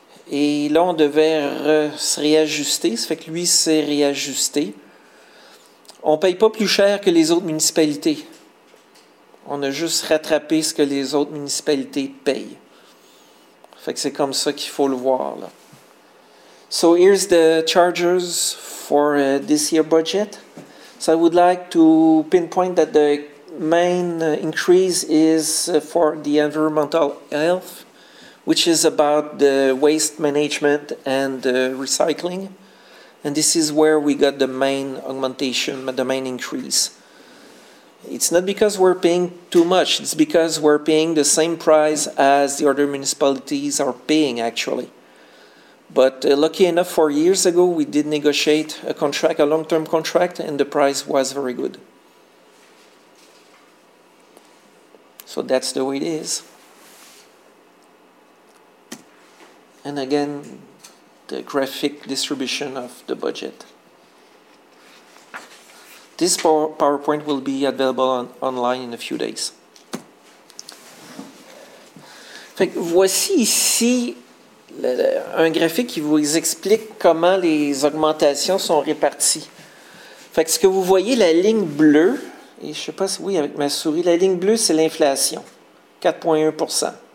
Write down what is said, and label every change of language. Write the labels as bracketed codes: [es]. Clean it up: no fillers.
[fr] Et là, on devait se réajuster. Ça fait que lui s'est réajusté. On ne paye pas plus cher que les autres municipalités. On a juste rattrapé ce que les autres municipalités payent. Fait que c'est comme ça qu'il faut le voir, là. [en] So here's the charges for this year budget. So I would like to pinpoint that the main increase is for the environmental health, which is about the waste management and recycling. And this is where we got the main augmentation, the main increase. It's not because we're paying too much. It's because we're paying the same price as the other municipalities are paying, actually. But lucky enough, 4 years ago, we did negotiate a contract, a long-term contract, and the price was very good. So that's the way it is. And again, the graphic distribution of the budget. This PowerPoint will be available online in a few days. [fr] Fait que voici ici un graphique qui vous explique comment les augmentations sont réparties. Fait que ce que vous voyez, la ligne bleue, et je ne sais pas si oui, avec ma souris, la ligne bleue, c'est l'inflation, 4,1%.